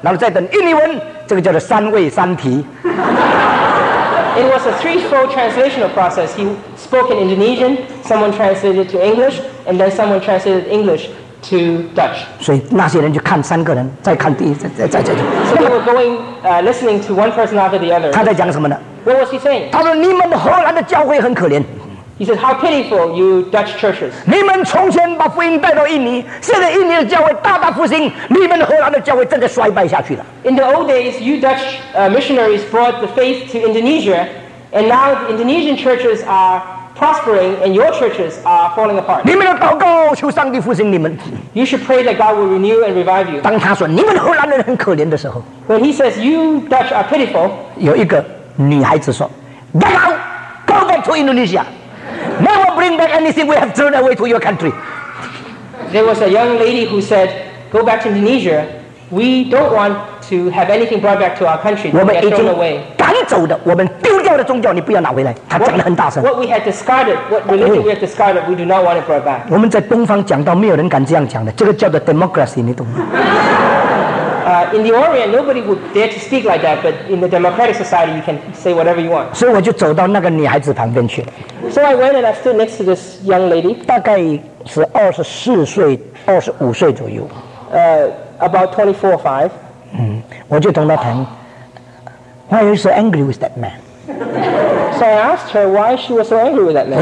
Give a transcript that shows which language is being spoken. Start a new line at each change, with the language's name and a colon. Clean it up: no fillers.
Chinese: 他讲英语文，第二个人就翻译成英文，第三个人翻译荷兰文，然后再等印尼文，这个叫做三位三题。
English: It was a threefold translational process. He spoke in Indonesian, someone translated to English, and then someone translated English. To Dutch.
Chinese: 所以那些人就看三个人，再看第一，再。
English: So they were going, listening to one person after the other.
Chinese: 他在讲什么呢？
English: What was he saying?
Chinese: 他说：“你们荷兰的教会很可怜。”
English: He said, "How pitiful you Dutch churches."
Chinese: 你们从前把福音带到印尼，现在印尼的教会大大复兴，你们荷兰的教会正在衰败下去了。
English: In the old days, you Dutch missionaries brought the faith to Indonesia, and now the Indonesian churches are. Prospering and your churches are falling apart.
Chinese: 你们要祷告，求上帝复兴你们。
English: You should pray that God will renew and revive you.
Chinese: 当他说你们荷兰人很可怜的时候，
English: When he says you Dutch are pitiful,
Chinese: 有一个女孩子说，
English: Get out, go back to Indonesia. Never bring back anything we have thrown away to your country. There was a young lady who said, Go back to Indonesia. We don't want to have anything brought back to our country. We have thrown away.
Chinese: 赶走的，我们丢掉的宗教，你不要拿回来。他讲得很大声。
English: What we had discarded, what religion we had discarded, we do not want it brought back.
Chinese: 我们在东方讲到，没有人敢这样讲的，这个叫做 democracy， 你懂吗？
English: In the Orient, nobody would dare to speak like that. But in the democratic society, you can say whatever you want.
Chinese: 所以我就走到那个女孩子旁边去了。
English: So I went and I stood next to this young lady.
Chinese: 大概是24岁、25岁左右。
English: About 24 or 25.
Chinese: 我就同她谈。
English: Why are you so angry with that man? So I asked her why she was so angry with that man.